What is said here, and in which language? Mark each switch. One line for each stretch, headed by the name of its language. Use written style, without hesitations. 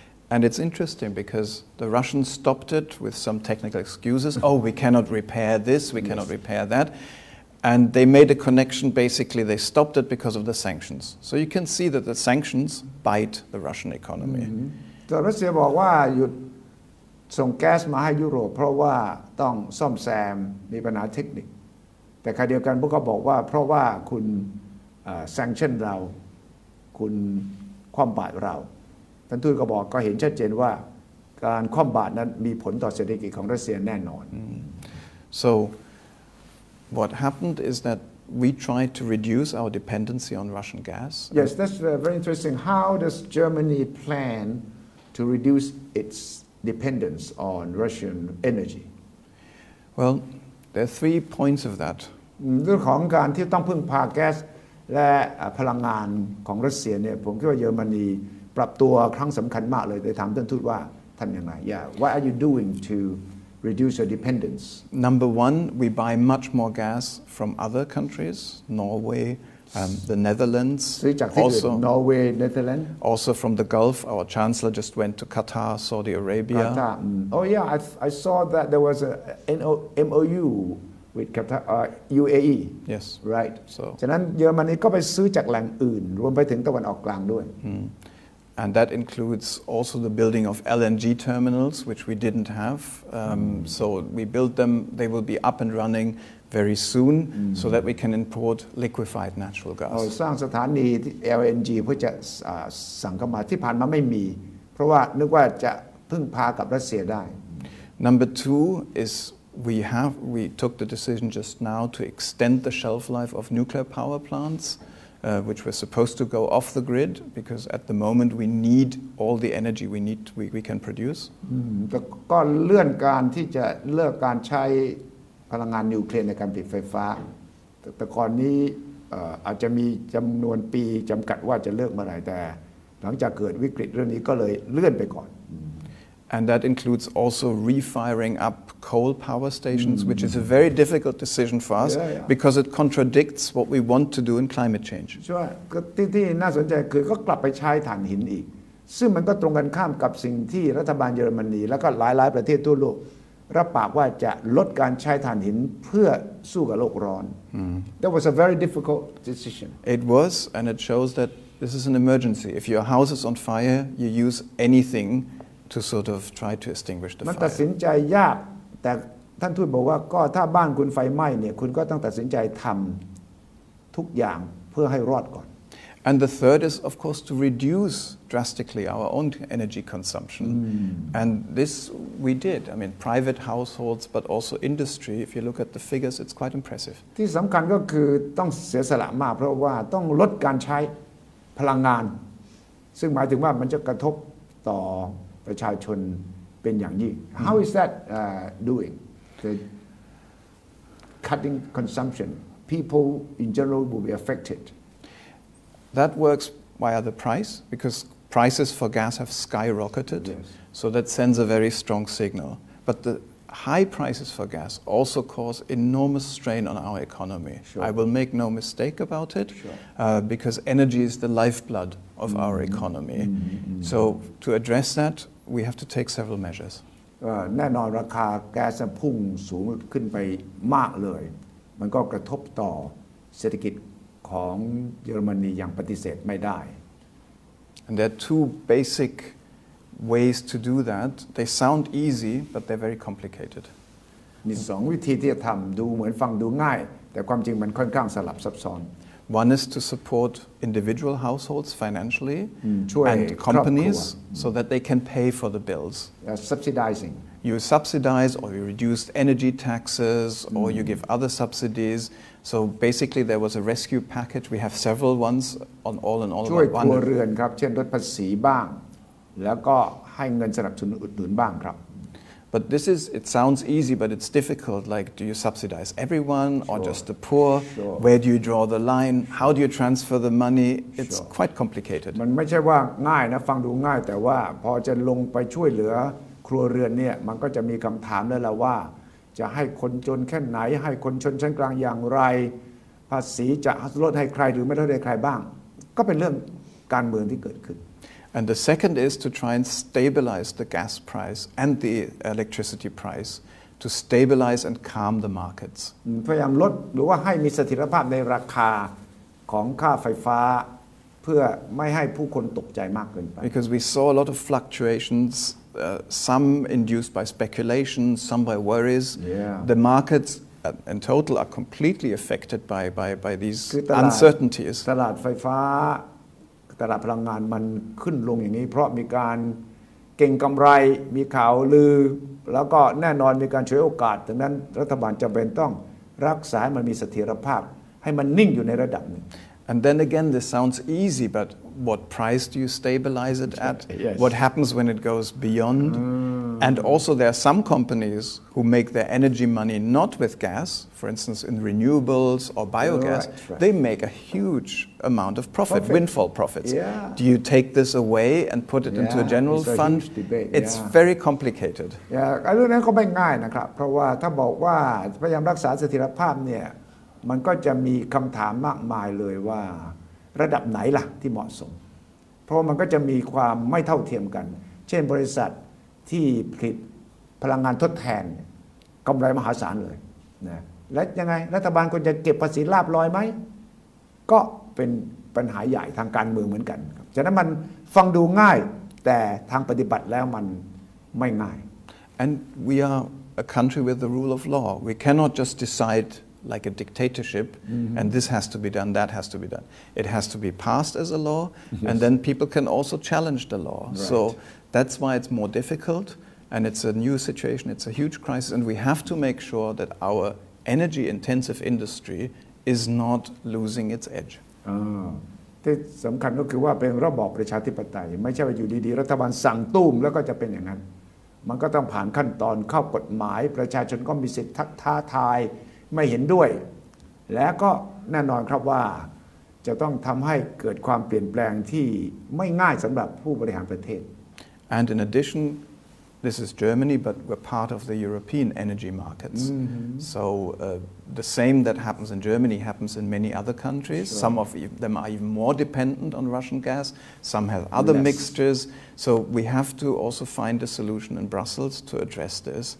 English: And it's interesting because the Russians stopped it with some technical excuses. Oh, we cannot repair this, we cannot repair that. And they made a connection, basically they stopped it because of the sanctions. So you can see that the sanctions bite the Russian economy. So
Thai: Russia บอกว่าหยุดส่งแก๊สมาให้ยุโรปเพราะว่าต้องซ่อมแซมมีปัญหาเทคนิคแต่ขณะเดียวกันพวกเขาบอกว่าเพราะว่าคุณsanction เราคุณคว่ำบาตรเราท่านทูตก็บอกก็เห็นชัดเจนว่าการคว่ำบาตรนั้นมีผลต่อเศรษฐกิจของรัสเซียแน่นอน
English: So what happened is that we tried to reduce our dependency on Russian gas. Yes, that's very interesting. How does Germany plan to reduce its dependence on Russian energy? Well, there are three points of that.
Thai: เรื่องของการที่ต้องพึ่งพาแก๊สและพลังงานของรัสเซียเนี่ยผมคิดว่าเยอรมนีปรับตัวครั้งสำคัญมากเลยได้ถามท่านทูตว่าทำยังไง
English: Yeah, what are you doing to reduce your dependence? Number one, we buy much more gas from other countries, Norway, the Netherlands. Also, Norway, Netherlands. Also from the Gulf, our chancellor just went to Qatar, Saudi Arabia. Qatar. Oh yeah, I saw that there was a MOU with Qatar, UAE. Yes. Right. So.
Thai: ฉะนั้นเยอรมนีก็ไปซื้อจากแหล่งอื่นรวมไปถึงตะวันออกกลางด้วย
English: And that includes also the building of LNG terminals, which we didn't have. So we built them. They will be up and running very soon, so that we can import liquefied natural gas.
Thai: สร้างสถานี LNG เพื่อจะสั่งเข้ามาที่ผ่านมาไม่มีเพราะว่านึกว่าจะพึ่งพากับรัสเซียได้
English: Number two is we took the decision just now to extend the shelf life of nuclear power plants. Which were supposed to go off the grid because at the moment we need all the energy we need we can produce.
Thai: ก็เลื่อนการที่จะเลิกการใช้พลังงานนิวเคลียร์ในการผลิตไฟฟ้าแต่ก่อนนี้อาจจะมีจำนวนปีจำกัดว่าจะเลิกเมื่อไรแต่หลังจากเกิดวิกฤตเรื่องนี้ก็เลยเลื่อนไปก่อน
English: And that includes also refiring up coal power stations, which is a very difficult decision for us because it contradicts what we want to do in climate change. Sure.
Thai: ที่น่าสนใจคือก็กลับไปใช้ถ่านหินอีกซึ่งมันก็ตรงกันข้ามกับสิ่งที่รัฐบาลเยอรมนีแล้วก็หลายๆประเทศทั่วโลกรับปากว่าจะลดการใช้ถ่านหินเพื่อสู้กับโลกร้อน
English: That was a very difficult decision. It was, and it shows that this is an emergency. If your house is on fire, you use anything. To sort of try to extinguish the fire.
Thai: มันตัดสินใจยากแต่ท่านทูตบอกว่าก็ถ้าบ้านคุณไฟไหม้เนี่ยคุณก็ต้องตัดสินใจทำทุกอย่างเพื่อให้รอดก่อน
English: And the third is of course to reduce drastically our own energy consumption. And this we did. I mean, private households, but also industry. If you look at the figures, it's quite impressive.
Thai: ที่สำคัญก็คือต้องเสียสละมากเพราะว่าต้องลดการใช้พลังงานซึ่งหมายถึงว่ามันจะกระทบต่อประชาชนเป็นอย่างยิ่ง
English: How is that doing? The cutting consumption, people in general will be affected. That works via the price because prices for gas have skyrocketed. Yes. So that sends a very strong signal. But the high prices for gas also cause enormous strain on our economy. Sure. I will make no mistake about it sure. Because energy is the lifeblood of mm-hmm. our economy. Mm-hmm. So to address that,We have to take several measures.
Thai: แน่นอนราคาแก๊สพุ่งสูงขึ้นไปมากเลยมันก็กระทบต่อ เศรษฐกิจของเยอรมนีอย่างปฏิเสธไม่ได้
English: And there are two basic ways to do that. They sound easy, but they're very complicated.
Thai: มี2วิธีที่จะทำดูเหมือนฟังดูง่ายแต่ความจริงมันค่อนข้างสลับซับซ้อน
English: One is to support individual households financially and companies so that they can pay for the bills. Subsidizing. You subsidize or you reduce energy taxes or you give other subsidies. So basically there was a rescue package. We have several ones on all and all about one.
Thai: ช่วยครัวเรือนครับเช่นลดภาษีบ้างแล้วก็ให้เงินสนับสนุนอุดหนุนบ้างครับ
English: But this is, it sounds easy, but it's difficult. Like, do you subsidize everyone or just the poor? Where do you draw the line? How do you transfer the money? It's quite complicated.
Thai: มันไม่ใช่ว่าง่ายนะฟังดูง่ายแต่ว่าพอจะลงไปช่วยเหลือครัวเรือนเนี่ยมันก็จะมีคำถามแล้วว่าจะให้คนจนแค่ไหนให้คนชนชั้นกลางอย่างไรภาษีจะลดให้ใครหรือไม่ลดให้ใครบ้างก็เป็นเรื่องการเมืองที่เกิดขึ้น
English: And the second is to try and stabilize the gas price and the electricity price to stabilize and calm the markets
Thai: พยายามลดหรือว่าให้มีเสถียรภาพในราคาของค่าไฟฟ้าเพื่อไม่ให้ผู้คนตกใจมากเกินไป
English: Because we saw a lot of fluctuationssome induced by speculation, some by worries. Yeah. The markets in total are completely affected by these uncertainties.
Thai: ตลาดไฟฟ้าตลาดพลังงานมันขึ้นลงอย่างนี้เพราะมีการเก่งกำไรมีข่าวลือแล้วก็แน่นอนมีการฉวยโอกาสดังนั้นรัฐบาลจำเป็นต้องรักษาให้มันมีเสถียรภาพให้มันนิ่งอยู่ในระดับหนึ่ง
English: And then again, this sounds easy, butWhat price do you stabilize it at? Yes. What happens when it goes beyond? And also there are some companies who make their energy money not with gas, for instance in renewables or biogas, they make a huge amount of profit, windfall profits. Yeah. Do you take this away and put it into a general it's a fund? It's very complicated. Yeah, I don't know, it's not easy, because if you say that you want to maintain the stability, there will be a lot of questions about,
Thai: ระดับไหนล่ะที่เหมาะสมเพราะมันก็จะมีความไม่เท่าเทียมกันเช่นบริษัทที่ผลิตพลังงานทดแทนกำไรมหาศาลเลยนะและยังไงรัฐบาลควรจะเก็บภาษีลาภลอยไหม ก็เป็นปัญหาใหญ่ทางการเมืองเหมือนกันครับฉะนั้นมันฟังดูง่ายแต่ทางปฏิบัติแล้วมันไม่ง่าย
English: And we are a country with the rule of law we cannot just decideLike a dictatorship, mm-hmm. and this has to be done, that has to be done. It has to be passed as a law, yes. and then people can also challenge the law. Right. So that's why it's more difficult, and it's a new situation, it's a huge crisis, and we have to make sure that our energy intensive industry is not losing its edge.
Thai: ที่สำคัญก็คือว่าเป็นระบอบประชาธิปไตยไม่ใช่ว่าอยู่ดีๆรัฐบาลสั่งตู้มแล้วก็จะเป็นอย่างนั้นมันก็ต้องผ่านขั้นตอนเข้ากฎหมายประชาชนก็มีสิทธิ์ท้าทายไม่เห็นด้วยและก็แน่นอนครับว่าจะต้องทำให้เกิดความเปลี่ยนแปลงที่ไม่ง่ายสำหรับผู้บริหารประเทศ
English: And in addition this is Germany but we're part of the European energy markets mm-hmm. so the same that happens in Germany happens in many other countries sure. some of them are even more dependent on Russian gas some have other mixtures so we have to also find a solution in Brussels to address this